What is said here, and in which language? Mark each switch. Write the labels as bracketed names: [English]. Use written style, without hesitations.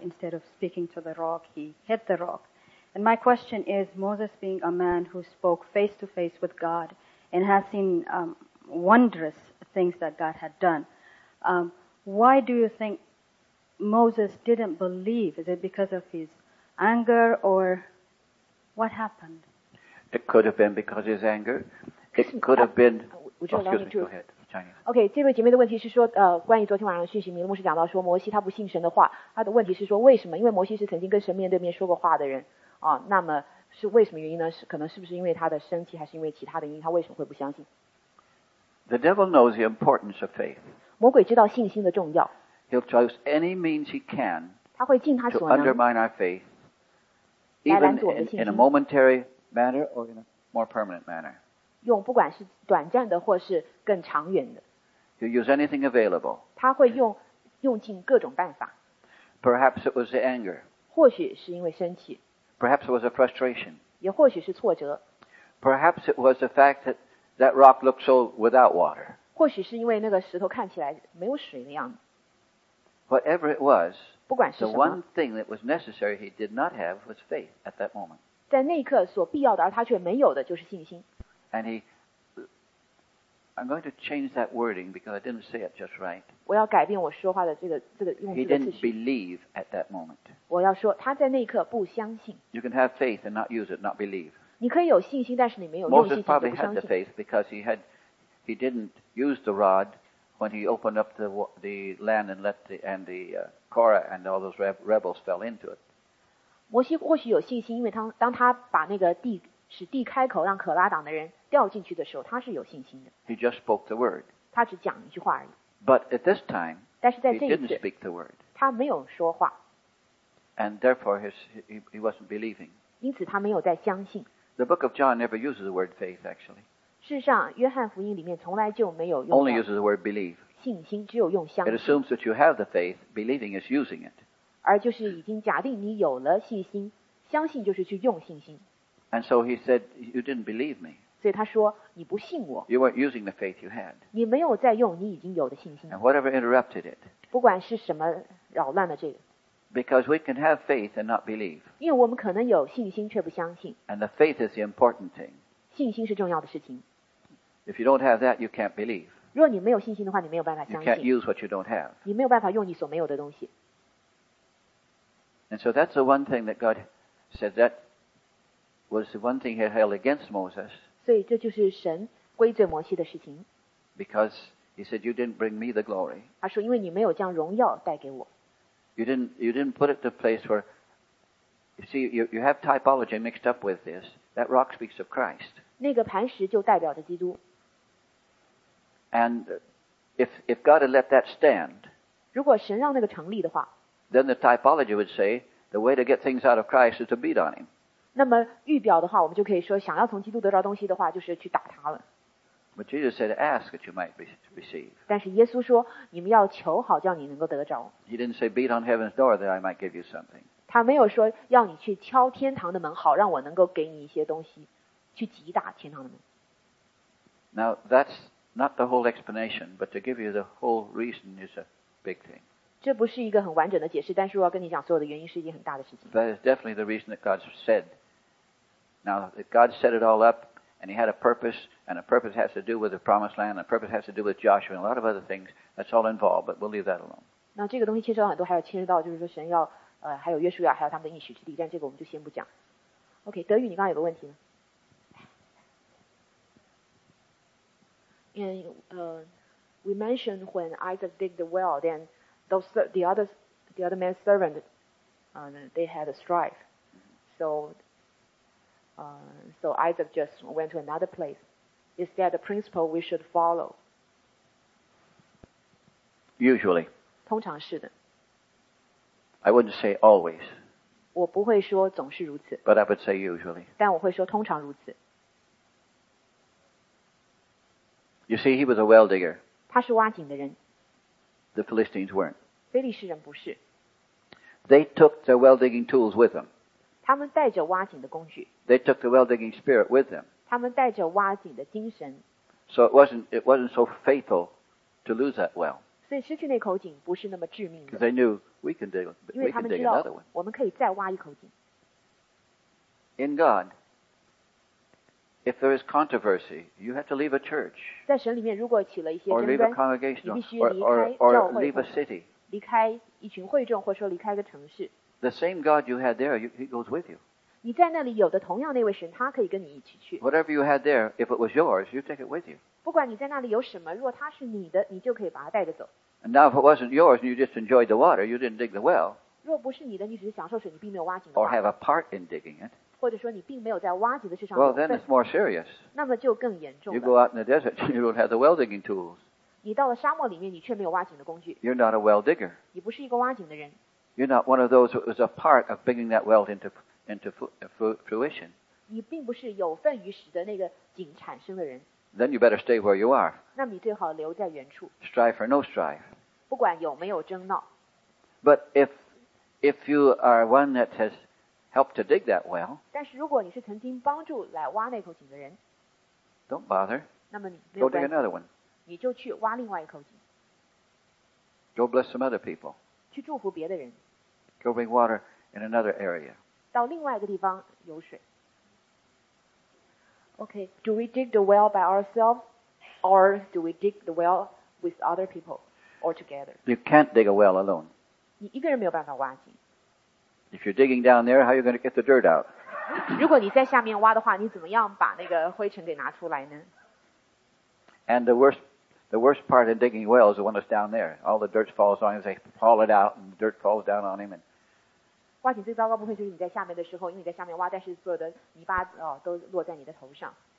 [English] Instead of speaking to the rock, he hit the rock. And my question is, Moses being a man who spoke face to face with God and has seen wondrous things that God had done, why do you think? Moses didn't believe. Is it because of his anger or what happened? It could have been because of his anger. It could have been... excuse me, go ahead. Chinese. [Chinese] Okay, 这位姐妹的问题是说关于昨天晚上的讯息，米勒牧师讲到说摩西他不信神的话，他的问题是说为什么，因为摩西是曾经跟神面对面说过话的人啊，那么是为什么原因呢？可能是不是因为他的身体还是因为其他的原因，他为什么会不相信？ [English] The devil knows the importance of faith. [Chinese] 魔鬼知道信心的重要。 [English] He'll choose any means he can [Chinese] 他会尽他所能 [English] to undermine our faith, even in a momentary manner or in a more permanent manner. [Chinese] 用不管是短暂的或是更长远的。 [English] He'll use anything available. [Chinese] 他会用尽各种办法。 [English] Perhaps it was the anger. [Chinese] 或许是因为生气。 [English] Perhaps it was a frustration. [Chinese] 也或许是挫折。 [English] Perhaps it was the fact that that rock looked so without water. [Chinese] 或许是因为那个石头看起来没有水的样子。 [English] Whatever it was, [Chinese] 不管是什么 [English] the one thing that was necessary he did not have was faith at that moment. [Chinese] 在那一刻所必要的而他却没有的就是信心。 [English] And he, I'm going to change that wording because I didn't say it just right. [Chinese] 我要改变我说话的这个用词。 [English] He didn't believe at that moment. [Chinese] 我要说他在那一刻不相信。 [English] You can have faith and not use it, not believe. [Chinese] 你可以有信心但是你没有用信心就不相信。 [English] Moses probably had the faith because he didn't use the rod. When he opened up the land and let the Korah and all those rebels fell into it. [Chinese] 摩西或许有信心，因为当他把那个地使地开口，让可拉党的人掉进去的时候，他是有信心的。 [English] He just spoke the word. [Chinese] 他只讲一句话而已。 [English] But at this time, [Chinese] 但是在这一次 [English] he didn't speak the word. [Chinese] 他没有说话。 [English] And therefore he wasn't believing. [Chinese] 因此他没有在相信。 [English] The book of John never uses the word faith, actually. [Chinese] 事实上，约翰福音里面从来就没有用。 [English] Only uses the word believe. [Chinese] 信心只有用相信。 [English] It assumes that you have the faith. Believing is using it. [Chinese] 而就是已经假定你有了信心，相信就是去用信心。 [English] And so he said, you didn't believe me. [Chinese] 所以他说你不信我。 [English] You weren't using the faith you had. [Chinese] 你没有在用你已经有的信心。 [English] And whatever interrupted it. [Chinese] 不管是什么扰乱了这个。 [English] Because we can have faith and not believe. [Chinese] 因为我们可能有信心却不相信。 [English] And the faith is the important thing. [Chinese] 信心是重要的事情。 [English] If you don't have that, you can't believe. [Chinese] 若你没有信心的话，你没有办法相信。 [English] You can't use what you don't have. [Chinese] 你没有办法用你所没有的东西。 [English] And so that's the one thing that God said that was the one thing he held against Moses. [Chinese] 所以这就是神归罪摩西的事情。 [English] Because he said, you didn't bring me the glory. [Chinese] 他说因为你没有将荣耀带给我。 [English] You didn't put it to place where, you see, you have typology mixed up with this. That rock speaks of Christ. [Chinese] 那个磐石就代表着基督。 [English] And if God had let that stand, [Chinese] 如果神让那个成立的话， [English] Then the typology would say the way to get things out of Christ is to beat on him. [Chinese] 那么预表的话，我们就可以说，想要从基督得到东西的话，就是去打他了。 [English] But Jesus said, "Ask that you might receive." [Chinese] 但是耶稣说，你们要求，好叫你能够得着。 [English] He didn't say, "Beat on heaven's door that I might give you something." [Chinese] 他没有说要你去敲天堂的门，好让我能够给你一些东西，去击打天堂的门。 [English] Now that's not the whole explanation, but to give you the whole reason is a big thing. [Chinese] 这不是一个很完整的解释，但是我要跟你讲，所有的原因是一件很大的事情。 [English] That is definitely the reason that God said. Now, God set it all up, and He had a purpose, and a purpose has to do with the Promised Land, and a purpose has to do with Joshua, and a lot of other things. That's all involved, but we'll leave that alone. [Chinese] 那这个东西牵涉到很多，还有牵涉到就是说神要还有约书亚，还有他们的应许之地，但这个我们就先不讲。 OK, 德宇，你刚刚有个问题呢？ [English] We mentioned when Isaac dig the well, then. The other man's servant, they had a strife. So Isaac just went to another place. Is that the principle we should follow? Usually. [Chinese] 通常是的。 [English] I wouldn't say always. [Chinese] 我不会说总是如此。 [English] But I would say usually. [Chinese] 但我会说通常如此。 [English] You see, he was a well digger. [Chinese] 他是挖井的人。 [English] The Philistines weren't. [Chinese] 非利士人不是。 [English] They took their well digging tools with them. [Chinese] 他们带着挖井的工具。 [English] They took the well digging spirit with them. [Chinese] 他们带着挖井的精神。 [English] So it wasn't so fatal to lose that well. [Chinese] 所以失去那口井不是那么致命的。 [English] Because they knew we can dig another one. [Chinese] 我们可以再挖一口井。 [English] In God, if there is controversy, you have to leave a church. [Chinese] 在神里面如果起了一些争端，你必须离开教会。 [English] Or leave a city. [Chinese] 离开一群会众，或者说离开一个城市。 [English] The same God you had there, He goes with you. [Chinese] 你在那里有的同样那位神，他可以跟你一起去。 [English] Whatever you had there, if it was yours, you take it with you. [Chinese] 不管你在那里有什么，若他是你的，你就可以把他带着走。 [English] And now if it wasn't yours, and you just enjoyed the water, you didn't dig the well. [Chinese] 若不是你的，你只是享受水，你并没有挖井。 [English] Or have a part in digging it. [Chinese] 或者说你并没有在挖井的事上。 [English] Well, then it's more serious. [Chinese] 那么就更严重 [English] 了。You go out in the desert, you don't have the well digging tools. [Chinese] 你到了沙漠里面，你却没有挖井的工具。 [English] You're not a well digger. [Chinese] 你不是一个挖井的人。 [English] You're not one of those who was a part of bringing that well into fruition. [Chinese] 你并不是有份于使得那个井产生的人。 [English] Then you better stay where you are. [Chinese] 那你最好留在原处。 [English] Strife or no strife. [Chinese] 不管有没有争闹。 [English] But if you are one that has helped to dig that well. [Chinese] 但是如果你是曾经帮助来挖那口井的人。 [English] Don't bother. [Chinese] 那么你 [English] Go dig another one. [Chinese] 你就去挖另外一口井。 [English] Go bless some other people. [Chinese] 去祝福别的人。 [English] Go bring water in another area. [Chinese] 到另外一个地方有水。 [English] Okay, do we dig the well by ourselves, or do we dig the well with other people, or together? You can't dig a well alone. [Chinese] 你一个人没有办法挖井。 [English] If you're digging down there, how are you going to get the dirt out? [Chinese] 如果你在下面挖的话，你怎么样把那个灰尘给拿出来呢？ [English] And the worst part in digging wells is the one that's down there. All the dirt falls on him, they haul it out, and the dirt falls down on him. And [Chinese] 挖井最糟糕部分就是你在下面的时候，因为你在下面挖，但是所有的泥巴都落在你的头上。